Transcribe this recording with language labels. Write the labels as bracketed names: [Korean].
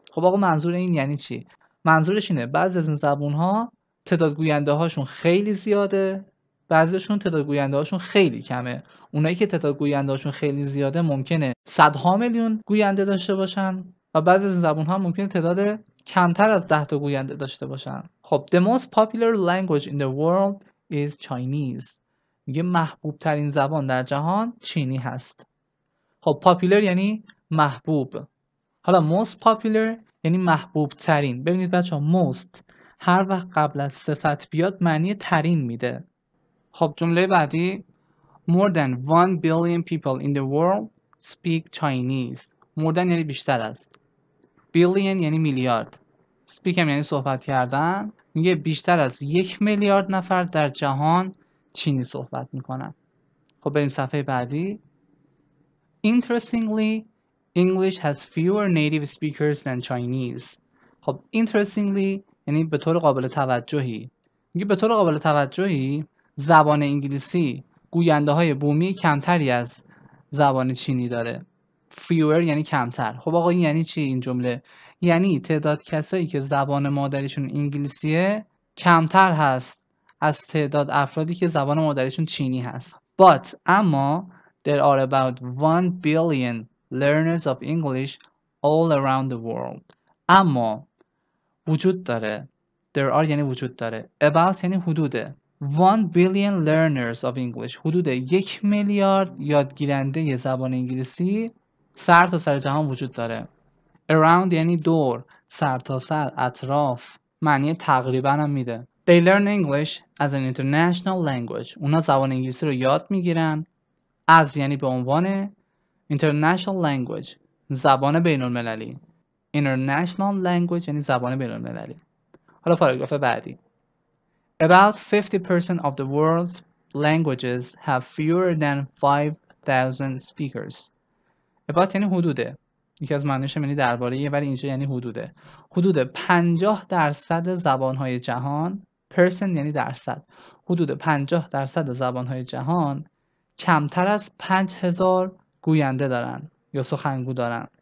[Persian] خب آقا منظور این یعنی چی؟ منظورش اینه بعضی از این زبان ها تعداد گوینده هاشون خیلی زیاده، بعضیشون تعداد گوینده هاشون خیلی کمه. اونایی که تعداد گوینده هاشون خیلی زیاده ممکنه صدها میلیون گوینده داشته باشن و بعضی از این زبان ها ممکنه تعداد کمتر از 10 تا گوینده داشته باشن. [English] خب the most popular language in the world is Chinese. [Persian] میگه محبوب ترین زبان در جهان چینی هست. خب popular یعنی محبوب. حالا most popular یعنی محبوب ترین. ببینید بچه ها most هر وقت قبل از صفت بیاد معنی ترین میده. خب جمله بعدی [English] more than 1 billion people in the world speak Chinese. more than [Persian] یعنی بیشتر از. billion یعنی میلیارد. speak هم یعنی صحبت کردن. میگه بیشتر از 1 میلیارد نفر در جهان چینی صحبت میکنن. خب بریم صفحه بعدی. [English] interestingly English has fewer native speakers than Chinese. [Persian] خب interestingly یعنی به طور قابل توجهی. میگه به طور قابل توجهی زبان انگلیسی گوینده های بومی کمتری از زبان چینی داره. fewer یعنی کمتر. خب آقا این یعنی چی این جمله؟ یعنی تعداد کسایی که زبان مادریشون انگلیسیه کمتر هست از تعداد افرادی که زبان مادریشون چینی هست. [English] But [Persian] اما [English] there are about 1 billion learners of English all around the world. [Persian] اما وجود داره. [English] There are [Persian] یعنی وجود داره. [English] About [Persian] یعنی حدوده. [English] 1 billion learners of English. [Persian] حدود 1 میلیارد یادگیرنده یه زبان انگلیسی سر تا سر جهان وجود داره. Around یعنی دور، سر تا سر، اطراف. معنی تقریبا هم میده. [English] They learn English as an international language. [Persian] اونا زبان انگلیسی رو یاد میگیرن. از یعنی به عنوان [English] international language، [Persian] زبان بین المللی. [English] international language [Persian] یعنی زبان بین المللی. حالا پاراگراف بعدی. [English] About 50% of the world's languages have fewer than 5,000 speakers. [Persian] about یعنی حدوده. یکی از معنیش یعنی درباره یه، ولی اینجا یعنی حدوده. حدود 50% زبان‌های جهان، person یعنی درصد. حدود 50% زبان‌های جهان کمتر از 5,000 گوینده دارن یا سخنگو دارن.